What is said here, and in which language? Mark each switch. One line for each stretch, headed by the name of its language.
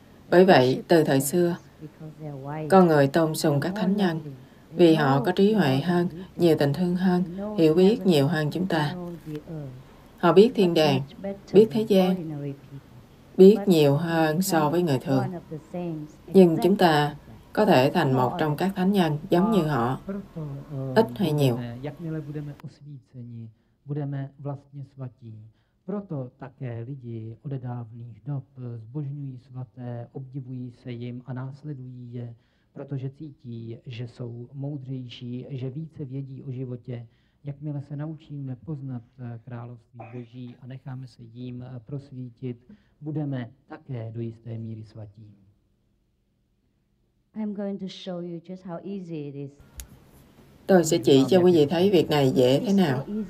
Vietnamese: Bởi vậy, từ thời xưa, con người tôn sùng các thánh nhân vì họ có trí huệ hơn, nhiều tình thương hơn, hiểu biết nhiều hơn chúng ta. Họ biết thiên đàng, biết thế gian, biết nhiều hơn so với người thường. Nhưng chúng ta có thể thành một trong các thánh nhân giống như họ, ít hay nhiều.
Czech: Jakmile budeme osvíceni, budeme vlastně svatí. Proto také lidi odedávných dob zbožňují svaté, obdivují se jim a následují je, protože cítí, že jsou moudřejší, že více vědí o životě. Jakmile se naučíme poznat království Boží a necháme se jim prosvítit, budeme také do jisté míry svatí.
English: I'm going to show you just how easy it is.
Vietnamese: Tôi sẽ chỉ cho quý vị thấy việc này dễ thế nào.